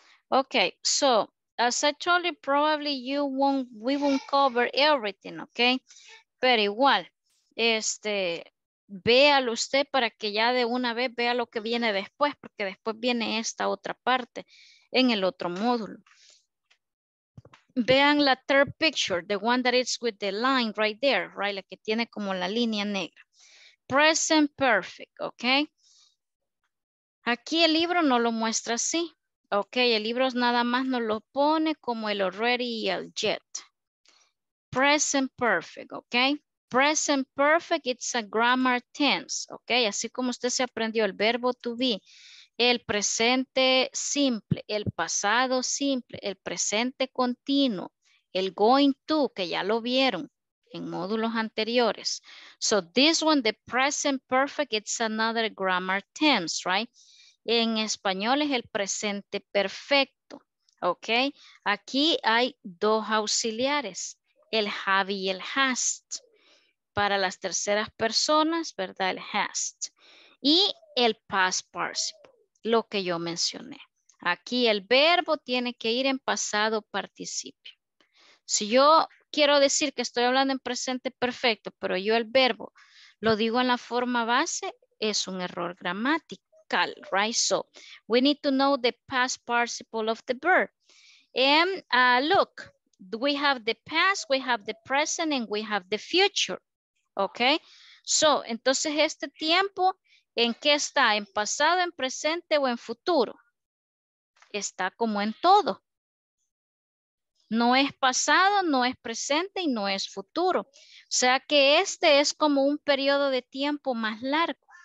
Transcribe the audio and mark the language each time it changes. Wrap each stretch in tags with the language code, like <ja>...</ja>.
<en>Okay, so, as I told you, probably you won't, we won't cover everything, okay?</en> <es>Pero igual, este... Véalo usted para que ya de una vez vea lo que viene después, porque después viene esta otra parte en el otro módulo. Vean la</es> <en>third picture, the one that is with the line right there, right?</en> <es>La que tiene como la línea negra.</es> <en>Present perfect, ok.</en> <es>Aquí el libro no lo muestra así, ok. El libro nada más nos lo pone como el already y el yet. Present perfect, ok.</es> <en>Present perfect, it's a grammar tense,</en> <es>ok, así como usted se aprendió el verbo to be, el presente simple, el pasado simple, el presente continuo, el going to, que ya lo vieron en módulos anteriores.</es> <en>So this one, the present perfect, it's another grammar tense, right?</en> <es>En español es el presente perfecto, ok, aquí hay dos auxiliares, el have y el has. Para las terceras personas, ¿verdad? El has. Y el past participle, lo que yo mencioné. Aquí el verbo tiene que ir en pasado participio. Si yo quiero decir que estoy hablando en presente perfecto, pero yo el verbo lo digo en la forma base, es un error gramatical, right?</es> <en>So, we need to know the past participle of the verb. And look, we have the past, we have the present, and we have the future.</en> <es>Ok, so, entonces este tiempo, ¿en qué está? ¿En pasado, en presente o en futuro? Está como en todo. No es pasado, no es presente y no es futuro. O sea que este es como un periodo de tiempo más largo.</es>